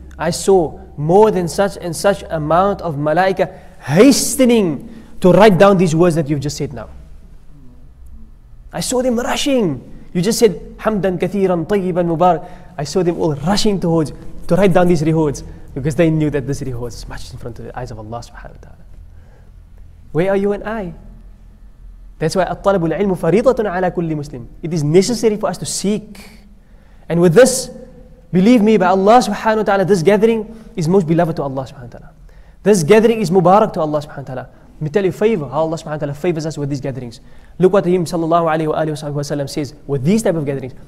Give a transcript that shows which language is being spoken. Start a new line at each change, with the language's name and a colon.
English: I saw more than such and such amount of malaika hastening to write down these words that you've just said now. I saw them rushing. You just said, hamdan kathiran tayyiban mubarak. I saw them all rushing towards to write down these rewards because they knew that this reward is much in front of the eyes of Allah subhanahu wa ta'ala. Where are you and I? That's why
Arabic: الطلب العلم فريضة على كل مسلم.
English: It is necessary for us to seek. And with this, believe me, by Allah subhanahu wa ta'ala, this gathering is most beloved to Allah subhanahu wa ta'ala. This gathering is mubarak to Allah subhanahu wa ta'ala. Let me tell you a favor, how Allah subhanahu wa ta'ala favors us with these gatherings. Look what him sallallahu alayhi wa sallam says with these type of gatherings.